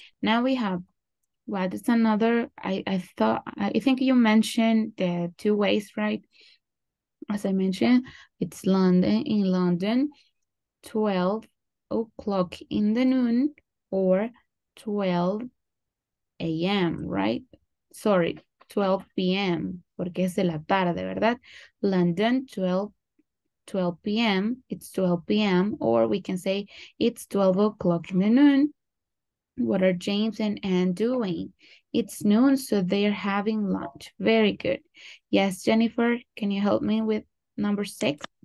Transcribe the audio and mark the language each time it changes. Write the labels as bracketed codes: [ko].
[en] Now we have, what is another, I think you mentioned the two ways, right? As I mentioned, it's London, in London, 12 o'clock in the noon or 12 a.m., right? Sorry, 12 p.m., [es] porque es de la tarde, ¿verdad? [en] London, 12 p.m., it's 12 p.m., or we can say it's 12 o'clock in the noon. What are James and Anne doing? It's noon, so they're having lunch. Very good. Yes, Jennifer, can you help me with number 6?